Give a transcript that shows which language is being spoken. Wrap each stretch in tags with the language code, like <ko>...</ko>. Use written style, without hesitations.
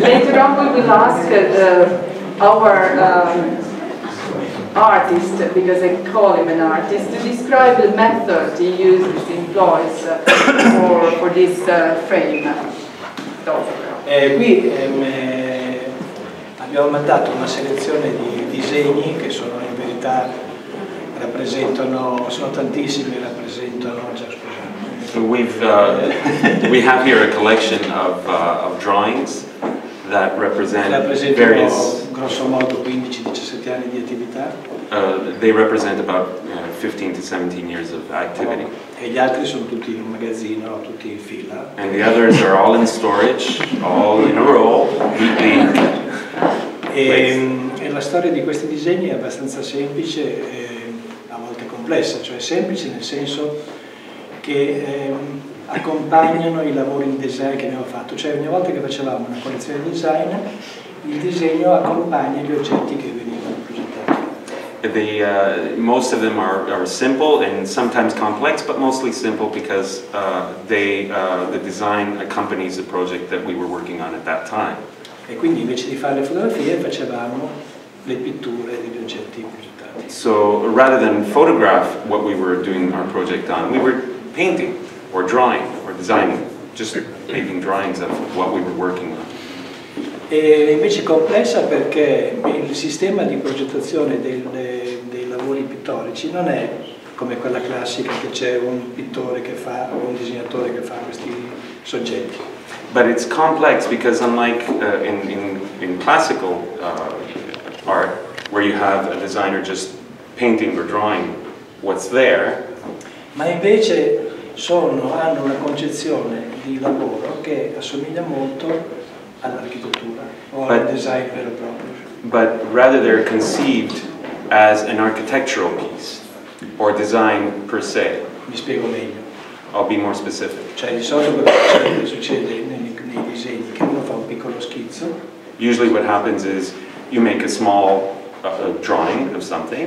<en>Later on, we will ask our artist, because I call him an artist, to describe the method he uses, employs for this frame.</en> <it>Qui abbiamo mandato una selezione di disegni che sono in verità rappresentano, sono tantissimi, rappresentano già scusate.</it> <en>We have here a collection of drawings that represent various.</en> <it>Grosso modo 15-17 anni di attività.</it> <en>They represent about 15-17 years of activity.</en> <it>E gli altri sono tutti in un magazzino, tutti in fila.</it> <en>And the others are all in storage, all in a row, neatly.</en> <it>E la storia di questi disegni è abbastanza semplice, a volte complessa, cioè semplice nel senso che accompagnano i lavori in design che abbiamo fatto. Cioè ogni volta che facevamo una collezione di design, il disegno accompagna gli oggetti che venivano presentati.</it> <en>They, most of them are simple and sometimes complex, but mostly simple because the design accompanies the project that we were working on at that time.</en> <it>E quindi invece di fare le fotografie facevamo le pitture degli oggetti presentati.</it> <en>So rather than photograph what we were doing our project on, we were painting or drawing or designing, just making drawings of what we were working on.</en> <it>E invece complessa perché il sistema di progettazione dei lavori pittorici non è come quella classica che c'è un pittore che fa o un disegnatore che fa questi soggetti.</it> <en>But it's complex because unlike in classical art where you have a designer just painting or drawing what's there.</en> <it>Ma invece hanno una concezione di lavoro che assomiglia molto all'architettura,</it> <en>or</en> <it>design vero proprio.</it> <en>But rather they're conceived as an architectural piece, or design per se.</en> <it>Mi spiego meglio.</it> <en>I'll be more specific.</en> <it>Cioè di solito quello che succede nei disegni, che uno fa un piccolo schizzo.</it> <en>Usually what happens is you make a small drawing of something.</en>